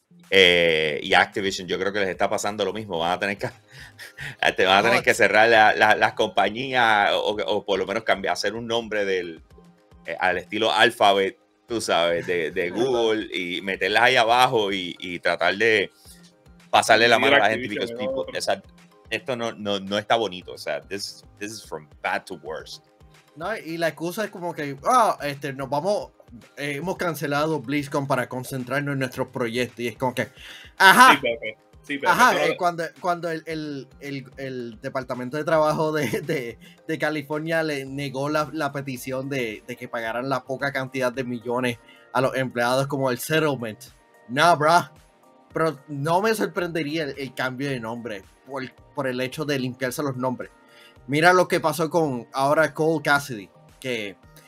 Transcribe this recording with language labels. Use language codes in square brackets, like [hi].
[es] Y Activision, yo creo que les está pasando lo mismo. Van a tener que cerrar las compañías o por lo menos cambiar, hacer un nombre al estilo Alphabet, tú sabes, de Google y meterlas ahí abajo y tratar de pasarle la mano a la gente. Porque esto no está bonito. O sea, [en] this is from bad to worst. [es] No, y la excusa es como que nos vamos. Hemos cancelado BlizzCon para concentrarnos en nuestros proyectos y es como que, ajá, sí, Pepe. Ajá, cuando el Departamento de Trabajo de California le negó la petición de que pagaran la poca cantidad de millones a los empleados como el settlement, pero no me sorprendería el cambio de nombre por el hecho de limpiarse los nombres. Mira lo que pasó con ahora Cole Cassidy, que